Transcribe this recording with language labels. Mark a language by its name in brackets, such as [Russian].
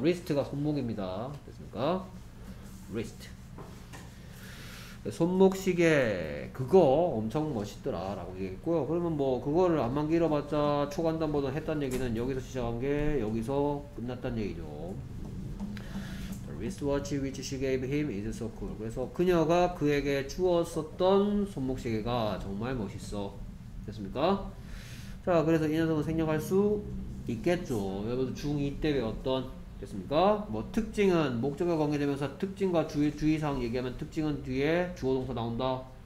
[Korean] 리스트가 손목입니다. 됐습니까? 리스트. 손목 시계 그거 엄청 멋있더라 라고 얘기했고요. 그러면 뭐 그거를 안만 길어봤자 초간단보다 했단 얘기는 여기서 시작한 게 여기서 끝났단 얘기죠. [English] The wristwatch which she gave him is so cool. [Korean] 그래서 그녀가 그에게 주었었던 손목 시계가 정말 멋있어. 됐습니까? 자 그래서 이 녀석은 생략할 수 있겠죠. 여러분 중2 때 배웠던 됐습니까? 뭐 특징은 목적어 관계되면서 특징과 주의사항 얘기하면 특징은 뒤에 주어동사 나온다.